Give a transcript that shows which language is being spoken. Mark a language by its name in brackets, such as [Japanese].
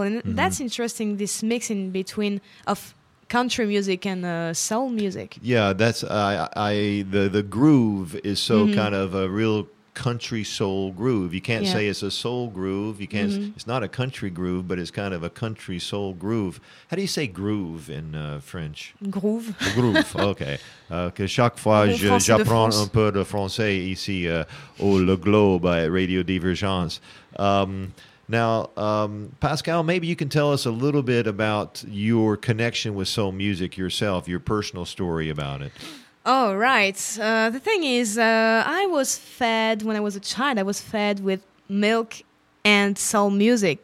[English] And that's interesting, this mixing between of country music and soul music. Yeah, that's the groove is so kind of a real... country soul groove. You can't say it's a soul groove. You can't. Mm-hmm. It's not a country groove, but it's kind of a country soul groove. How do you say groove in French? Groove. Groove. Okay. [French] Que chaque fois j'apprends un peu de français ici au Le Globe at Radio Divergence. [English] Pascal, maybe you can tell us a little bit about your connection with soul music yourself. Your personal story about it. Oh, right. The thing is, I was fed, when I was a child, I was fed with milk and soul music.